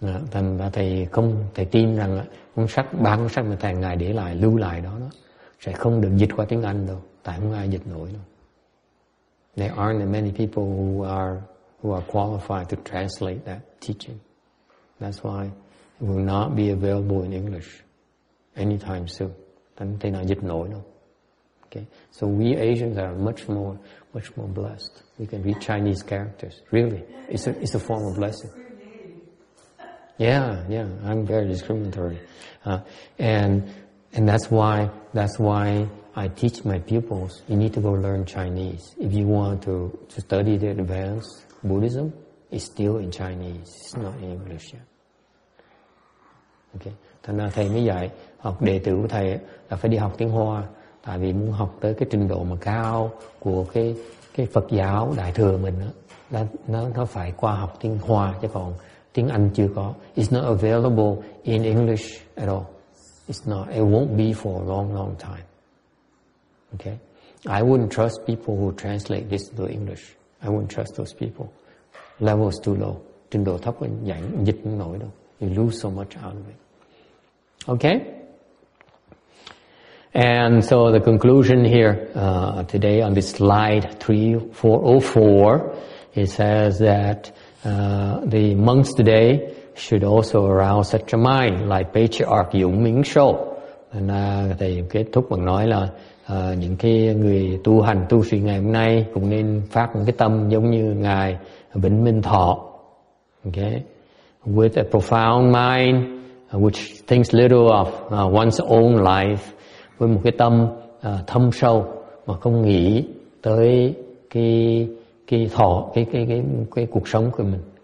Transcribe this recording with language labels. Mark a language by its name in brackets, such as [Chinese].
[Vietnamese] Thành và thầy không, thầy tin rằng cuốn sách, 3 cuốn sách mà thầy ngài để lại, lưu lại đó sẽ không được dịch qua tiếng Anh đâu, tại không ai dịch nổi đâu. [English] There aren't many people who are qualified to translate that teaching. That's why it will not be available in English anytime soon. [Vietnamese] Tại thế nào dịch nổi đâu. [English] Okay. So we Asians are much more blessed. We can read Chinese characters. Really, it's a form of blessing. Yeah, I'm very discriminatory. And that's why I teach my pupils, you need to go learn Chinese. If you want to study the advanced Buddhism, it's still in Chinese, it's not in English. Okay. [Vietnamese] Thành ra thầy mới dạy học đệ tử của thầy là phải đi học tiếng Hoa, tại vì muốn học tới cái trình độ mà cao của cái Phật giáo Đại thừa mình đó, nó phải qua học tiếng Hoa, chứ còn tiếng Anh chưa có. [English] It's not available in English at all. It's not. It won't be for a long, long time. Okay. I wouldn't trust people who translate this to English. I wouldn't trust those people. Level is too low. [Vietnamese] Trình độ thấp là dịch không nổi đâu. [English] You lose so much out of it. Okay. And so the conclusion here today on this slide 3404, it says that the monks today should also arouse such a mind like patriarch Dũng Minh Châu. [Vietnamese] Thầy kết thúc bằng nói là những cái người tu hành tu sĩ ngày hôm nay cũng nên phát một cái tâm giống như ngài Vĩnh Minh Thọ. Okay. [English] With a profound mind which thinks little of one's own life, [Vietnamese] với một cái tâm thâm sâu mà không nghĩ tới cái cuộc sống của mình.